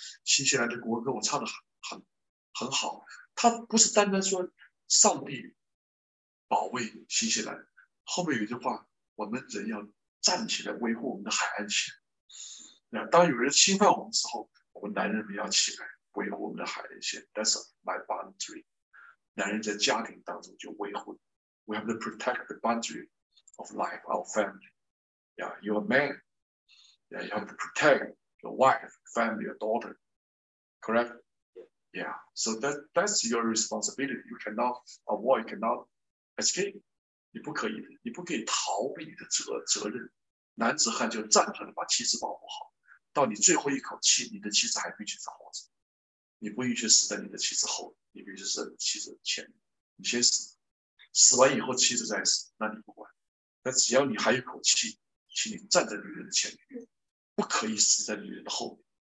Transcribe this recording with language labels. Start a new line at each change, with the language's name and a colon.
Chinese: 新西兰的国歌，我唱的很好。他不是单单说上帝保卫新西兰，后面有一句话，我们人要站起来维护我们的海岸线。当有人侵犯我们之后，我们男人们要起来维护我们的海岸线。
English: That's my boundary。
Chinese: 男人在家庭当中就维护。
English: We have to protect the boundary of life, our family. Yeah, you're a man. Yeah, you have to protect your wife, family, your daughter. Correct? Yeah, so that's your responsibility. You cannot avoid, cannot escape.
Chinese: 你不可以，你不可以逃避你的责任。男子汉就站出来把妻子保护好。到你最后一口气，你的妻子还必须是活着。你不允许死在你的妻子后，你必须死在妻子前。你先死。死完以后妻子再死那你不管，那只要你还有口气，请你站在女人的前面，不可以死在女人的后面。